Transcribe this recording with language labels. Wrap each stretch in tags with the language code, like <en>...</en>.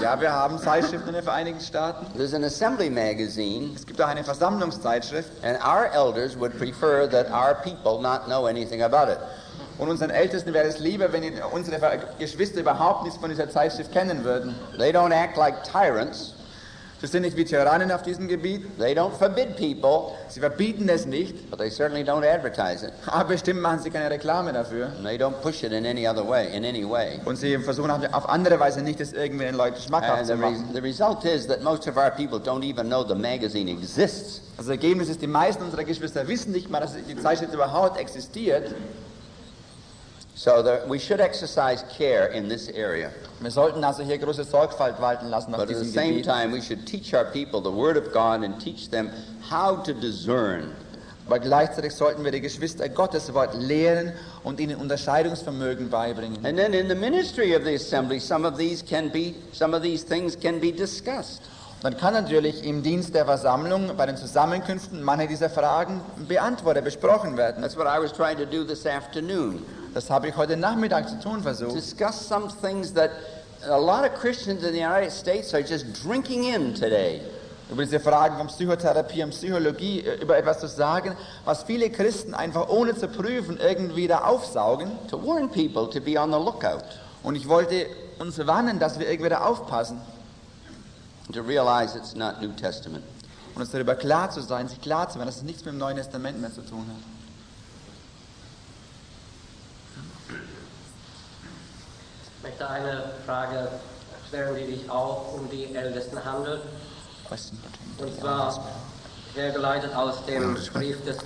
<de>Ja, wir haben Zeitschriften in den Vereinigten Staaten.</de> <en>There's an assembly magazine.</en> <de>Es gibt auch eine Versammlungszeitschrift.</de> <en>And our elders would prefer that our people not know anything about it.</en> <de>Und unseren Ältesten wäre es lieber, wenn unsere Geschwister überhaupt nichts von dieser Zeitschrift kennen würden.</de> <en>They don't act like tyrants.</en> <de>Sie sind nicht wie Tyrannen auf diesem Gebiet.</de> <en>They don't forbid people.</en> <de>Sie verbieten es nicht.</de> <en>But they certainly don't advertise it.</en> <de>Aber bestimmt machen sie keine Reklame dafür.</de> <en>And they don't push it in any other way, in any way.</en> <de>Und sie versuchen auf andere Weise nicht, das irgendwie den Leuten schmackhaft zu machen.</de> <en>The result is that most of our people don't even know the magazine exists.</en> <de>Das Ergebnis ist, die meisten unserer Geschwister wissen nicht mal, dass die Zeitschrift überhaupt existiert.</de> <en>So we should exercise care in this area.</en> <de>Wir sollten also hier große Sorgfalt walten lassen auf diesem Gebiet.</de> <en>But at the same time, we should teach our people the word of God and teach them how to discern.</en> <de>Aber gleichzeitig sollten wir die Geschwister Gottes Wort lehren und ihnen Unterscheidungsvermögen beibringen.</de> <en>And then in the ministry of the assembly, some of these things can be discussed.</en> <de>Man kann natürlich im Dienst der Versammlung bei den Zusammenkünften manche dieser Fragen beantwortet, besprochen werden.</de> <en>That's what I was trying to do this afternoon.</en> <de>Das habe ich heute Nachmittag zu tun versucht.</de> <en>Discuss some things that a lot of Christians in the United States are just drinking in today.</en> <de>Über diese Fragen von Psychotherapie und Psychologie, über etwas zu sagen, was viele Christen einfach ohne zu prüfen irgendwie da aufsaugen.</de> <en>To warn people to be on the lookout.</en> <de>Und ich wollte uns warnen, dass wir irgendwie da aufpassen.</de> <en>To realize it's not New Testament.</en> <de>Und uns darüber klar zu sein, sich klar zu machen, dass es nichts mit dem Neuen Testament mehr zu tun hat. Ich möchte eine Frage stellen, die sich auch um die Ältesten handelt. Und zwar hergeleitet aus dem Brief des</de>